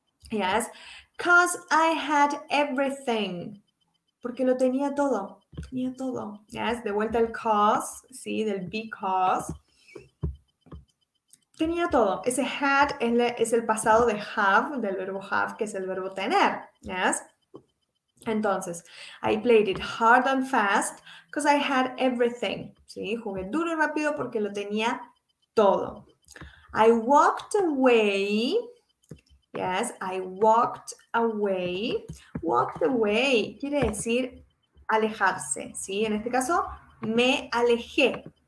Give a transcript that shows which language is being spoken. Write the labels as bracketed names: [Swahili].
[English] Yes, cause I had everything. [Spanish] Porque lo tenía todo. Tenía todo. Yes, de vuelta el cause, sí, del because. Tenía todo. Ese had es el pasado de have, del verbo have, que es el verbo tener. [English] Yes. Entonces, I played it hard and fast because I had everything. [Spanish] ¿Sí? Jugué duro y rápido porque lo tenía todo. [English] I walked away. Yes, I walked away. [Spanish] Walked away quiere decir alejarse. ¿Sí? En este caso, me alejé.